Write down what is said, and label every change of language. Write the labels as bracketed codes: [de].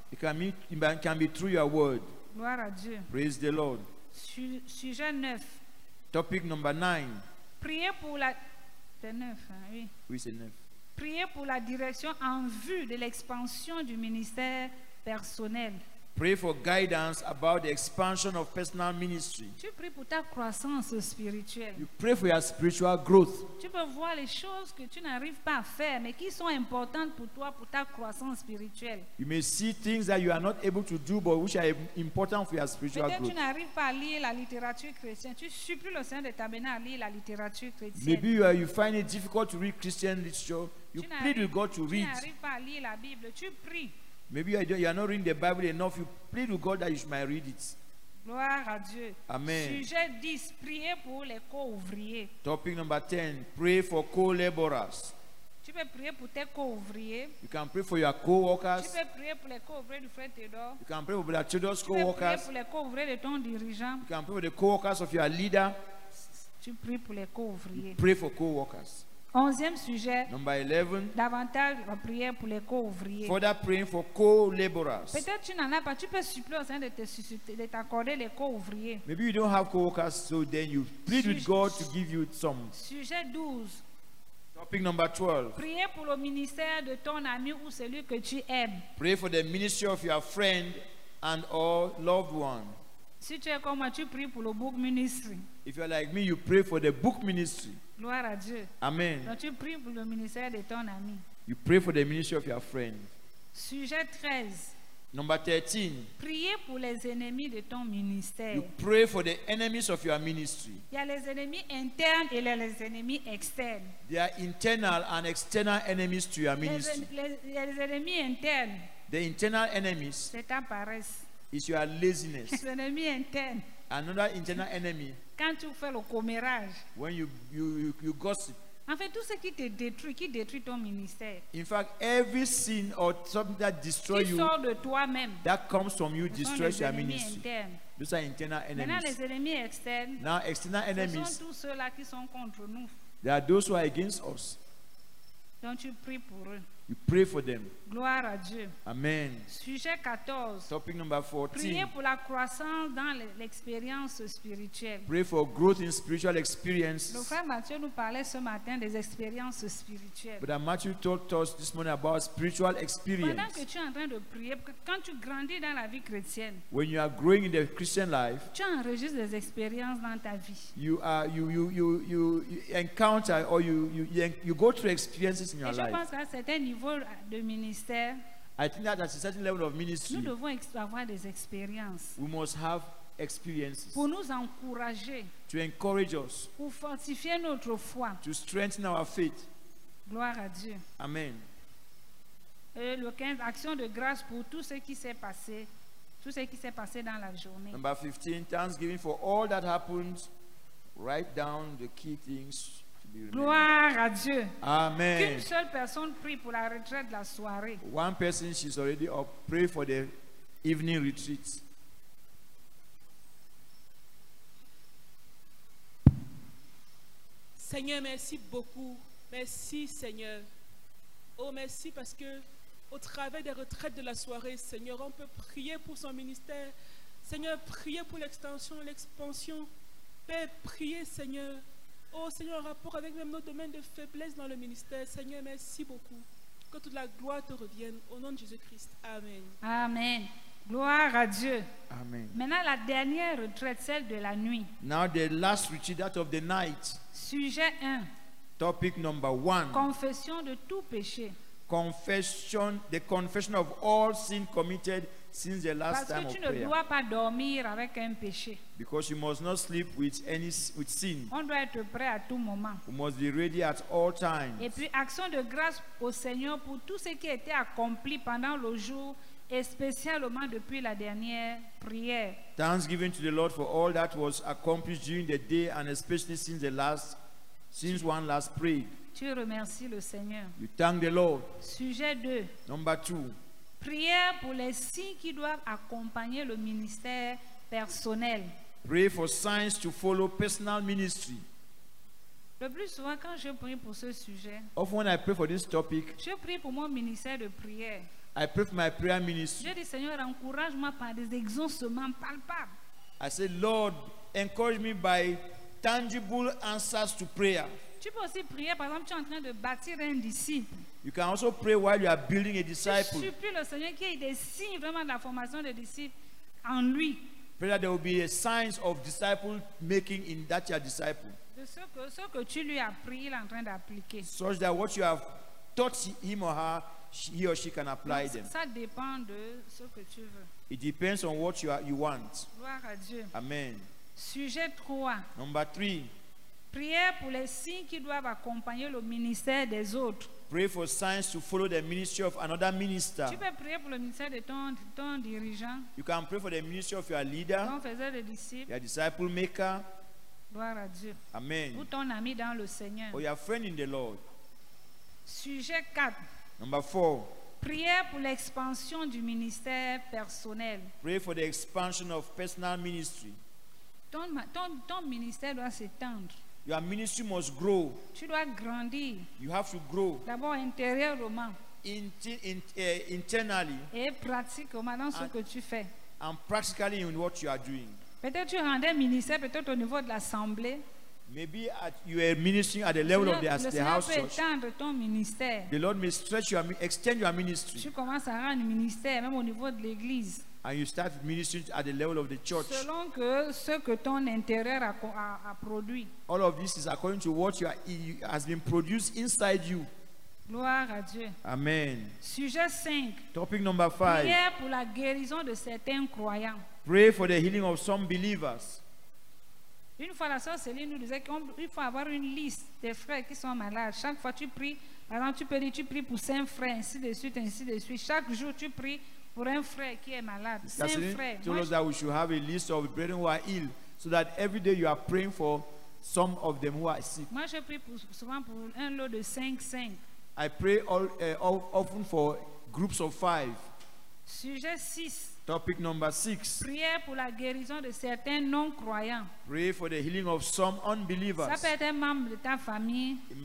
[en] It can be through your word. [fr] Gloire à Dieu. [en] Praise the Lord. [fr] Sujet 9. [en] Topic number 9. [fr] Priez pour la. C'est 9, hein, oui. Oui, c'est 9. Priez pour la direction en vue de l'expansion du ministère personnel. [en] Pray for guidance about the expansion of personal ministry. [fr] Tu pries pour ta croissance spirituelle. [en] You pray for your spiritual growth. [fr] Tu peux voir les choses que tu n'arrives pas à faire, mais qui sont importantes pour toi, pour ta croissance spirituelle. [en] You may see things that you are not able to do, but which are important for your spiritual [fr] peut-être Peut-être tu n'arrives pas à lire la littérature chrétienne. Tu supplies le Seigneur de t'amener à lire la littérature chrétienne. [en] Maybe you find it difficult to read Christian literature. You plead with God to read. [fr] Tu n'arrives pas à lire la Bible. Tu pries. [en] Maybe you are not reading the Bible enough. You plead to God that you should read it. [fr] Gloire à Dieu. Amen. Sujet 10. Priez pour les co-ouvriers. [en] Topic number 10. Pray for co-laborers. [fr] Tu peux prier pour tes co-ouvriers. [en] You can pray for your co-workers. [fr] Tu peux prier pour les co-ouvriers du frère Théodore. [en] You can pray for the Théodore's co-workers. [fr] Tu peux prier pour les co-ouvriers de ton dirigeant. [en] You can pray for the co-workers of your leader. [fr] Tu pries pour les co-ouvriers. [en] You pray for co-workers. [fr] 11e sujet. [en] Number 11. [fr] Davantage la prière pour les co-ouvriers. [en] Further praying for co-laborers. [fr] Peut-être tu n'en as pas, tu peux supplier au sein de t'accorder les co-ouvriers. [en] Maybe you don't have co-workers, so then you plead with God to give you some. [fr] Sujet 12. [en] Topic number 12. [fr] Priez pour le ministère de ton ami ou celui que tu aimes. [en] Pray for the ministry of your friend and or loved one. [fr] Si tu es comme moi, tu pries pour le book ministry. [en] If you are like me, you pray for the book ministry. [fr] Gloire à Dieu. Amen. Donc tu pries pour le ministère de ton ami. [en] You pray for the ministry of your friend. [fr] Sujet 13. [en] Number 13. [fr] Priez pour les ennemis de ton ministère. [en] You pray for the enemies of your ministry. [fr] Il y a les ennemis internes et les ennemis externes. [en] There are internal and external enemies to your ministry. [fr] Les ennemis internes. [en] The internal enemies. [fr] C'est ta paresse. [en] Is your laziness. [fr] Les ennemis internes. [en] Another internal enemy. [fr] Quand tu fais le commérage. [en] When you gossip. [fr] En fait, tout ce qui te détruit, qui détruit ton ministère. [en] In fact, every sin or something that destroys you. [fr] Qui sort de toi-même. [en] That comes from you destroys your ministry. [fr] Internes. [en] Those are internal enemies. [fr] Maintenant, les ennemis externes. [en] Now, external enemies. [fr] Ce sont tous ceux-là qui sont contre nous. [en] They are those who are against us. Don't you pray for them? You pray for them. [fr] Gloire à Dieu. Amen. Sujet 14. [en] Topic number 14. [fr] Priez pour la croissance dans l'expérience spirituelle. [en] Pray for growth in spiritual experience. [fr] Le frère Mathieu nous parlait ce matin des expériences spirituelles. [en] But Matthew talked to us this morning about spiritual experience. [fr] Pendant que tu es en train de prier, quand tu grandis dans la vie chrétienne, [en] when you are growing in the Christian life, [fr] tu enregistres des expériences dans ta vie. [en] You go through experiences in your life. [fr] Et je pense qu'à certains niveaux de ministère, [en] I think that at a certain level of ministry, [fr] nous devons avoir des expériences. [en] We must have experiences [fr] pour nous encourager, [en] to encourage us, [fr] pour fortifier notre foi, [en] to strengthen our faith. [fr] Gloire à Dieu. Amen. Et le 15, action de grâce pour tout ce qui s'est passé, tout ce qui s'est passé dans la journée. [en] Number 15, thanksgiving for all that happened. Write down the key things. [fr] Gloire à Dieu. Amen. Qu'une seule personne prie pour la retraite de la soirée. [en] One person, she's already up, pray for the evening retreat. [fr] Seigneur, merci beaucoup. Merci, Seigneur. Oh, merci parce que au travers des retraites de la soirée, Seigneur, on peut prier pour son ministère. Seigneur, priez pour l'extension, l'expansion. Père, priez, Seigneur. Oh, Seigneur, en rapport avec même nos domaines de faiblesse dans le ministère. Seigneur, merci beaucoup. Que toute la gloire te revienne. Au nom de Jésus-Christ. Amen. Amen. Gloire à Dieu. Amen. Maintenant, la dernière retraite, celle de la nuit. [en] Now, the last retreat, that of the night. [fr] Sujet 1. [en] Topic number 1. [fr] Confession de tout péché. [en] Confession, the confession of all sin committed since the last time of prayer. [fr] Parce que tu ne dois pas dormir avec un péché. [en] Because you must not sleep with sin. [fr] On doit être prêt à tout moment. [en] You must be ready at all times. [fr] Et puis, action de grâce au Seigneur pour tout ce qui a été accompli pendant le jour, et spécialement depuis la dernière prière. [en] Thanksgiving to the Lord for all that was accomplished during the day and especially since the last, since one last prayed. [fr] Tu remercies le Seigneur. [en] You thank the Lord. [fr] Sujet 2. [en] Number 2. [fr] Prière pour les signes qui doivent accompagner le ministère personnel. [en] Pray for signs to follow personal ministry. [fr] Le plus souvent quand je prie pour ce sujet, [en] often when I pray for this topic, [fr] je prie pour mon ministère de prière. [en] I pray for my prayer ministry. [fr] Je dis, Seigneur, encourage-moi par des exaucements palpables. [en] I say, Lord, encourage me by tangible answers to prayer. [fr] Tu peux aussi prier, par exemple, tu es en train de bâtir un disciple. [en] You can also pray while you are building a disciple. [fr] Je supplie le Seigneur qu'il y ait des signes vraiment de la formation des disciples en lui. [en] Pray that there will be a signs of disciple making in that your disciple. [fr] De ce que tu lui as prié, il est en train d'appliquer. [en] Such that what you have taught him or her, he or she can apply them. [fr] Ça dépend de ce que tu veux. [en] It depends on what you want. [fr] Gloire à Dieu. Amen. Sujet 3. [en] Number 3. [fr] Prière pour les signes qui doivent accompagner le ministère des autres. [en] Pray for signs to follow the ministry of another minister. [fr] Tu peux prier pour le ministère de ton dirigeant. [en] You can pray for the ministry of your leader. [fr] Ton faiseur de disciples. [en] Your disciple maker. [fr] Gloire à Dieu. Amen. Ou ton ami dans le Seigneur. [en] Or your friend in the Lord. [fr] Sujet 4. [en] Number 4. [fr] Prière pour l'expansion du ministère personnel. [en] Pray for the expansion of personal ministry. [fr] Ton ministère doit s'étendre. [en] Your ministry must grow. [fr] Tu dois grandir. [en] You have to grow. [fr] D'abord intérieurement. [en] Internally. [fr] Et pratiquement dans ce que tu fais. [en] And practically in what you are doing. [fr] Peut-être tu rendais ministère peut-être au niveau de l'assemblée. [en] Maybe you are ministering at the level of the house church. [fr] Étendre ton ministère. [en] The Lord may stretch your, extend your ministry. [fr] Tu commences à rendre ministère même au niveau de l'église. [en] And you start ministering at the level of the church. [fr] Selon que ce que ton intérieur a produit. [en] All of this is according to what has been produced inside you. [fr] Gloire à Dieu. Amen. Sujet 5. [en] Topic number 5. [fr] Prière pour la guérison de certains croyants. [en] Pray for the healing of some believers. [fr] Une fois la sœur Céline nous disait qu'il faut avoir une liste des frères qui sont malades. Chaque fois tu pries, par exemple, tu peux dire tu pries pour 5 frères, ainsi de suite. Chaque jour tu pries pour un frère qui est malade. [en] Céline told us that we should have a list of brethren who are ill, so that every day you are praying for some of them who are sick. [fr] Moi je prie souvent pour un lot de 5. [en] I pray often for groups of 5. [fr] Sujet 6. [en] Topic number 6. [fr] Prière pour la guérison de certains non-croyants. [en] Pray for the healing of some unbelievers. [fr] Ça peut être un membre de ta famille.